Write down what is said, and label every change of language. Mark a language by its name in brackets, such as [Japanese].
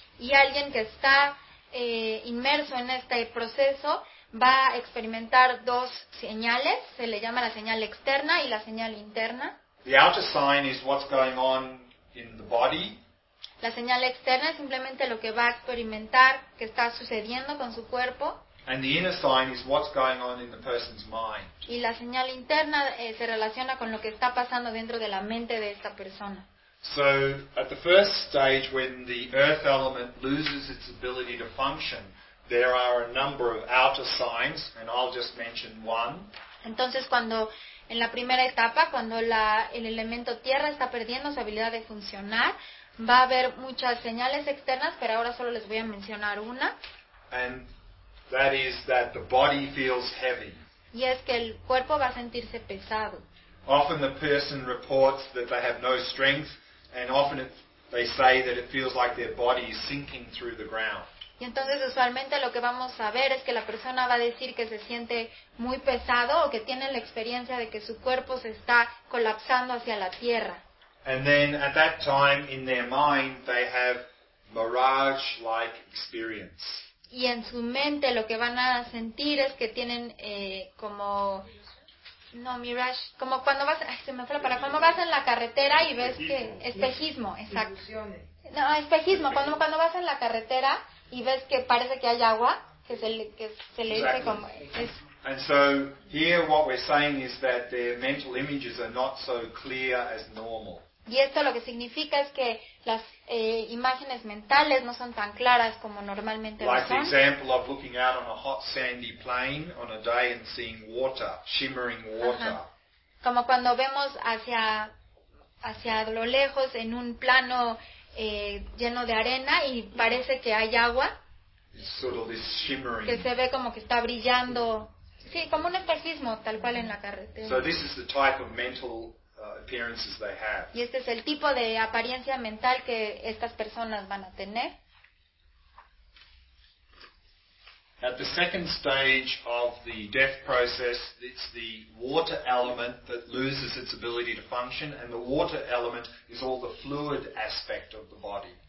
[Spanish] Y alguien que está inmerso en este proceso va a experimentar 2 señales. Se le llama la señal externa y la señal interna. [English] The outer sign is what's going on in the body. [Spanish] La señal externa es simplemente lo que va a experimentar que está sucediendo con su cuerpo. [English] And the inner sign is what's going on in the person's mind. [Spanish] Y la señal interna se relaciona con lo que está pasando dentro de la mente de esta persona. [English] So, at the first stage, when the earth element loses its ability to function, there are a number of outer signs, and I'll just mention one. [Spanish] Entonces, cuando en la primera etapa, cuando el elemento tierra está perdiendo su habilidad de funcionar, va a haber muchas señales externas, pero ahora solo les voy a mencionar una. [English] And that is that the body feels heavy. [Spanish] Y es que el cuerpo va a sentirse pesado. [English] Often the person reports that they have no strength, and often they say that it feels like their body is sinking through the ground. [Spanish] Y entonces usualmente lo que vamos a ver es que la persona va a decir que se siente muy pesado o que tiene la experiencia de que su cuerpo se está colapsando hacia la tierra. [English] And then at that time in their mind they have mirage-like experience. [Spanish] Y en su mente lo que van a sentir es que tienen como cuando vas, se me fue la palabra, como vas en la carretera y ves que, espejismo, exacto. No, espejismo, cuando vas en la carretera y ves que parece que hay agua, que se le [English] exactly. [Spanish] Dice como es. [English] And so here what we're saying is that their mental images are not so clear as normal. [Spanish] Y esto lo que significa es que las imágenes mentales no son tan claras como normalmente [English] like Like the example of looking out on a hot sandy plain on a day and seeing water, shimmering water. Uh-huh. [Spanish] Como cuando vemos hacia lo lejos en un plano lleno de arena y parece que hay agua. [English] It's sort of this shimmering. [Spanish] Que se ve como que está brillando. Sí, como un espejismo, tal cual en la carretera. [English] So this is the type of mental appearances they have. [Spanish] Y este es el tipo de apariencia mental que estas personas van a tener. [English] At the second stage of the death process, it's the water element that loses its ability to function, and the water element is all the fluid aspect of the body.